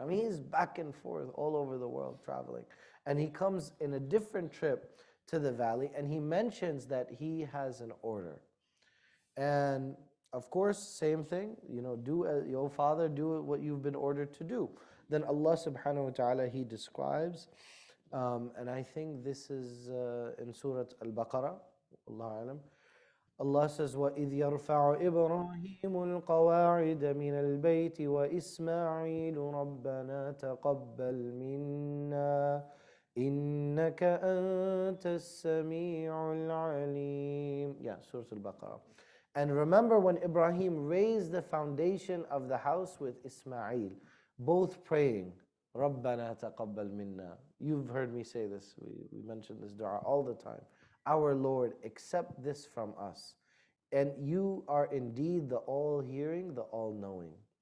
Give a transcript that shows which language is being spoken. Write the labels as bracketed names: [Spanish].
[English] I mean, he's back and forth all over the world traveling. And he comes in a different trip to the valley, and he mentions that he has an order. And of course, same thing, you know, do what you've been ordered to do. Then Allah subhanahu wa ta'ala, he describes, and I think this is in Surah Al-Baqarah, Allah alam. Allah says, [Arabic] وَإِذْ يَرْفَعُ إِبْرَاهِيمُ الْقَوَاعِدَ مِنَ الْبَيْتِ وَإِسْمَاعِيلُ رَبَّنَا تَقَبَّلْ مِنَّا إِنَّكَ أَنْتَ السَّمِيعُ الْعَلِيمُ. [English] Yeah, Surah Al-Baqarah. And remember when Ibrahim raised the foundation of the house with Ismail, both praying, [Arabic] رَبَّنَا تَقَبَّلْ مِنَّا. [English] You've heard me say this, we mentioned this dua all the time. Our Lord, accept this from us. And you are indeed the all-hearing, the all-knowing.